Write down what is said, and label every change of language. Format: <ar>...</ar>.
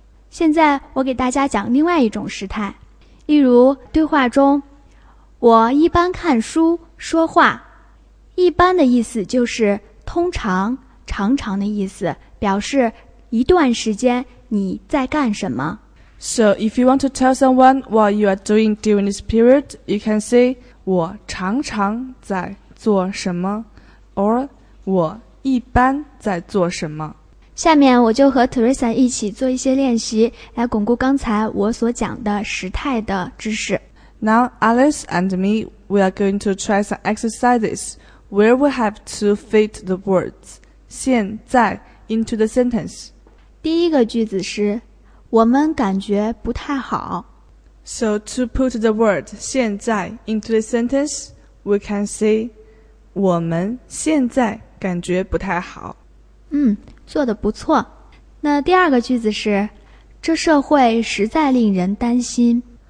<zh>现在我给大家讲另外一种时态，例如对话中，我一般看书说话。一般的意思就是通常、常常的意思，表示一段时间你在干什么。</zh> <en>So if you want to tell someone what you are doing during this period, you can say</en> <zh>我常常在做什么</zh> <en>or</en> <zh>我一般在做什么。下面我就和 Teresa 一起做一些练习，来巩固刚才我所讲的时态的知识。</zh> <en>Now, Alice and me, we are going to try some exercises where we have to fit the words 现在 into the sentence.</en> <zh>第一个句子是，我们感觉不太好。</zh> <en>So, to put the word 现在 into the sentence, we can say,</en> <zh>我们现在感觉不太好。做得不错。那第二个句子是，这社会实在令人担心。</zh>